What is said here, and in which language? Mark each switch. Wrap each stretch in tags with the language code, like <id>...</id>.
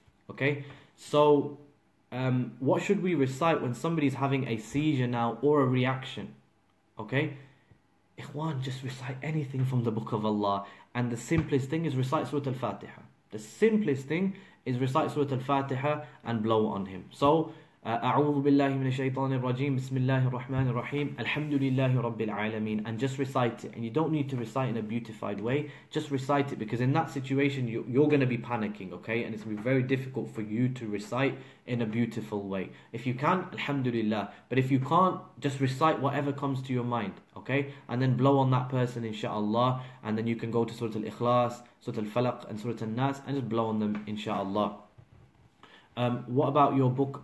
<en>Okay, so what should we recite when somebody's having a seizure now or a reaction? Okay, ikhwan, just recite anything from the Book of Allah. And the simplest thing is recite Surah Al-Fatiha. The simplest thing is recite Surah Al-Fatiha and blow on him. So,</en> <ar>أعوذ بالله من الشيطان الرجيم بسم الله الرحمن الرحيم الحمد لله رب العالمين.</ar> <en>And just recite it. And you don't need to recite in a beautified way. Just recite it, because in that situation you're going to be panicking, okay? And it's going to be very difficult for you to recite in a beautiful way. If you can, alhamdulillah. But if you can't, just recite whatever comes to your mind, okay? And then blow on that person, inshallah. And then you can go to Surah Al-Ikhlas, Surah Al-Falaq, and Surah Al-Nas, and just blow on them, inshallah. What about your book?</en>